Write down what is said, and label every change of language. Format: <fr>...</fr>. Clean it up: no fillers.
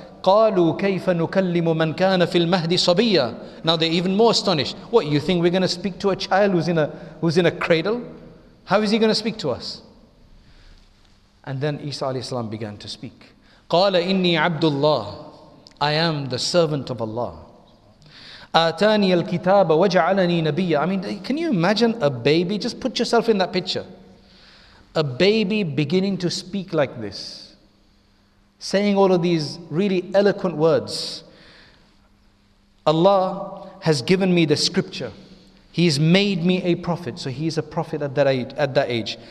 <ar>قَالُوا كَيْفَ نُكَلِّمُ مَنْ كَانَ فِي الْمَهْدِ صَبِيًّا.</ar> <en>Now they're even more astonished. What, you think we're going to speak to a child who's in a cradle? How is he going to speak to us? And then Isa alayhi salam began to speak.</en> <ar>قَالَ إِنِّي عَبْدُ اللَّهِ.</ar> <en>I am the servant of Allah.</en> <ar>آتاني الكتاب وجعلني نبيا.</ar> <en>I mean, can you imagine a baby? Just put yourself in that picture. A baby beginning to speak like this, saying all of these really eloquent words. Allah has given me the scripture. He's made me a prophet. So he is a prophet at that age.</en>